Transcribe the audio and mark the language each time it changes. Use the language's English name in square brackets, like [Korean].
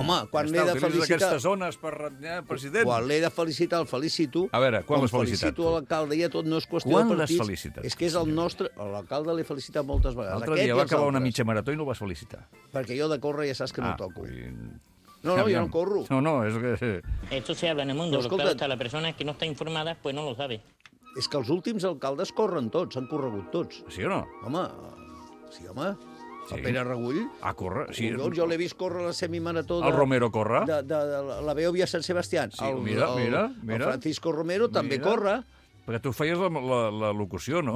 [Catalan] Home, quan l'he de felicitar... Utilitzes aquestes zones per renyar el president. Quan l'he de felicitar, el felicito. A veure, quan l'has felicitat? Felicito l'alcalde i a tot, no és qüestió quan de partits. Quan l'has felicitat? És que és el nostre... L'alcalde l'he felicitat moltes vegades. L'altre dia va acabar una mitja marató i no el vas felicitar. Perquè jo de córrer ja saps que no toco. No, jo no corro. No, és que... [Spanish] Esto se habla en el mundo, pero hasta la persona que no está informada pues no lo sabe. [Catalan] És que els últims alcaldes corren tots, han corregut tots. Sí o no? Home, sí, home. Sí. El Pere Regull. Ah, corre. Sí. Jo l'he vist córrer la semimarató. El Romero corre. De la Beòvia Sant Sebastián. Sí, mira. El Francisco Romero també corre. Perquè tu feies la locució, no?